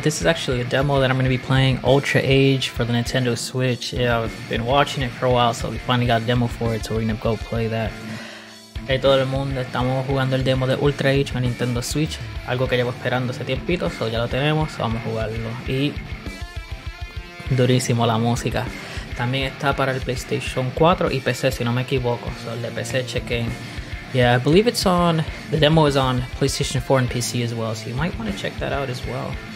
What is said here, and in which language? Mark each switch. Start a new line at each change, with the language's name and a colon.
English: This is actually a demo that I'm going to be playing Ultra Age for the Nintendo Switch. Yeah, I've been watching it for a while, so we finally got a demo for it, so we're going to go play that.
Spanish: Hey, todo el mundo, estamos jugando el demo de Ultra Age en Nintendo Switch. Algo que llevo esperando hace tiempito, so ya lo tenemos, so vamos a jugarlo. Y durísimo la música. También está para el PlayStation 4 y PC, si no me equivoco. So el de PC, chequen.
English: Yeah, I believe the demo is on PlayStation 4 and PC as well, so you might want to check that out as well.